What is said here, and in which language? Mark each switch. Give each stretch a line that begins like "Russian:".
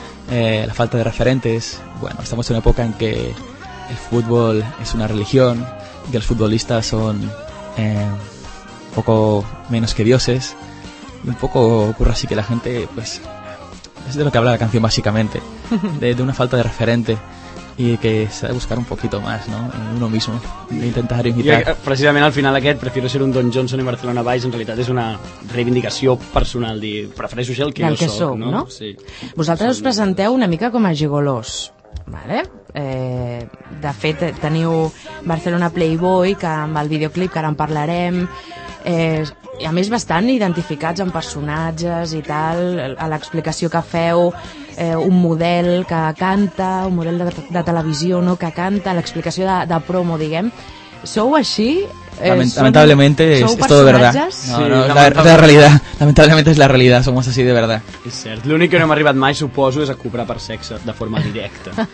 Spanish: La falta de referentes, bueno, estamos en una época en que el fútbol es una religión, que los futbolistas son un poco menos que dioses, y un poco ocurre así que la gente, pues, es de lo que habla la canción básicamente, de una falta de referente.
Catalan: I que s'ha de buscar
Spanish: un poquito más, ¿no? En uno mismo, intentar imitar.
Catalan: I precisament al final aquest,
Spanish: prefiero ser un
Catalan: Don Johnson i Barcelona Vice, en realitat és una reivindicació personal, dir, prefereixo ser el que del jo que soc, som, no? No? Sí. Vosaltres us presenteu una mica com a gigolós, vale? De fet, teniu Barcelona Playboy, que amb el videoclip, que ara en parlarem, i a més bastant identificats amb personatges i tal, a l'explicació que feu, un model que canta, un model de televisió, no?, que canta, l'explicació de promo, diguem. Sou així?
Spanish: Lamentablemente es todo verdad. No, la realidad. Lamentablemente es la realidad, somos así de verdad.
Catalan: És cert. L'únic que no hem arribat mai, suposo, és a cobrar per sexe, de forma directa.